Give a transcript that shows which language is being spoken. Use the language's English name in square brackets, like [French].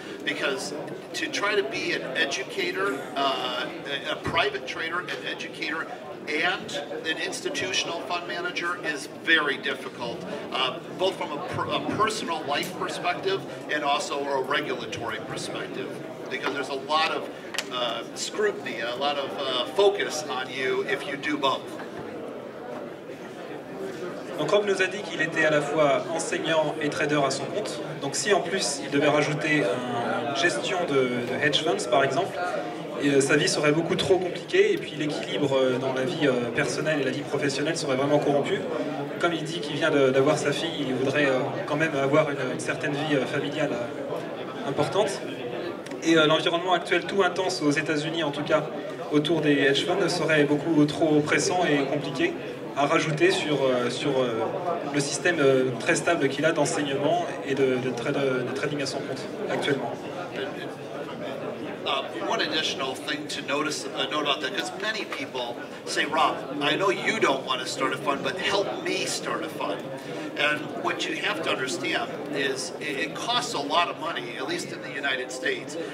[English] Because to try to be an educator, a private trader, an educator, and an institutional fund manager is very difficult, both from a personal life perspective and also a regulatory perspective. Because there's a lot of scrutiny, a lot of focus on you if you do both. [French] Donc Rob nous a dit qu'il était à la fois enseignant et trader à son compte. Donc si en plus il devait rajouter une gestion de hedge funds par exemple, sa vie serait beaucoup trop compliquée et puis l'équilibre dans la vie personnelle et la vie professionnelle serait vraiment corrompu. Comme il dit qu'il vient d'avoir sa fille, il voudrait quand même avoir une certaine vie familiale importante. Et l'environnement actuel tout intense aux États-Unis en tout cas autour des hedge funds serait beaucoup trop pressant et compliqué à rajouter sur le système très stable qu'il a d'enseignement et de trading à son compte actuellement. [English] One additional thing to notice, note about that, because many people say, Rob, I know you don't want to start a fund, but help me start a fund. And what you have to understand is it costs a lot of money, at least in the United States.